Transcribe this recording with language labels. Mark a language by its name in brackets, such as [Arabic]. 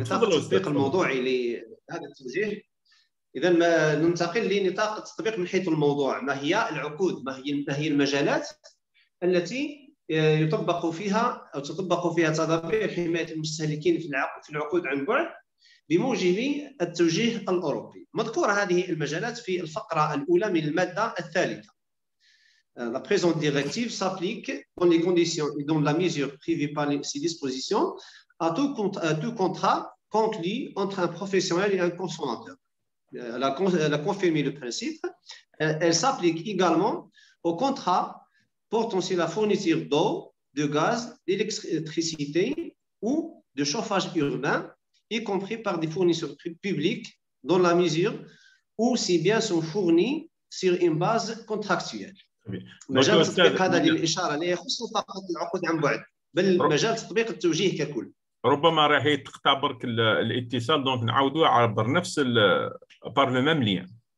[Arabic] نطاق التطبيق الموضوعي لهذا التوجيه. إذا ما ننتقل لنطاق التطبيق من حيث الموضوع، ما هي العقود، ما هي المجالات التي يطبق فيها أو تطبق فيها تدابير حماية المستهلكين في العقود عن بعد بموجب التوجيه الأوروبي. مذكورة هذه المجالات في الفقرة الأولى من المادة الثالثة. [French] La présente directive s'applique dans les conditions et dans la mesure prévue par ces dispositions à tout contrat conclu entre un professionnel et un consommateur. Elle a confirmé le principe. Elle s'applique également aux contrats portant sur la fourniture d'eau, de gaz, d'électricité ou de chauffage urbain, y compris par des fournisseurs publics, dans la mesure où ces biens sont fournis sur une base contractuelle. [Arabic] مجال التطبيق هذا للإشارة لا يخص فقط العقود عن بعد بل مجال تطبيق التوجيه ككل. ربما راح يتقطع برك الاتصال دونك نعاودو عبر نفس بار لو ميم ليان.